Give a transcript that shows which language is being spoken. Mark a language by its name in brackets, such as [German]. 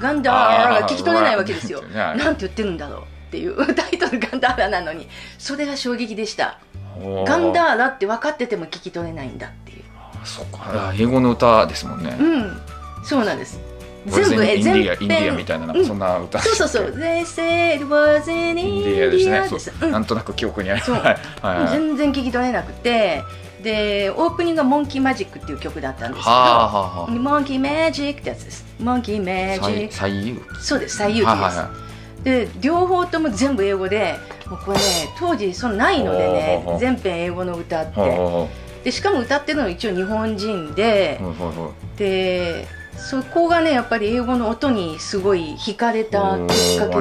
[Japanese] ガンダーラが聞き取れないわけですよ、はあはあ、なんて言ってるんだろうっていう、タイトルガンダーラなのに、それが衝撃でした。ガンダーラって分かってても聞き取れないんだっていう。あ、そっか、英語の歌ですもんね。うん、そうなんです。全部全編インディアみたい な, なんかそんな歌、うん、 [English] そうそうそう They said it was in India [Japanese] でした、ね、そう、なんとなく記憶にあります、うん、はい、全然聞き取れなくて、でオープニングがモンキーマジックっていう曲だったんですけど、はあはあ、モンキーマジックってやつです。モンキーマジック最優機、そうです、最優機です、はあはあ、で両方とも全部英語で、もうこれね、当時そのないのでね、全編英語の歌って、でしかも歌ってるのは一応日本人 で, でそこがね、やっぱり英語の音にすごい惹かれたきっかけですね。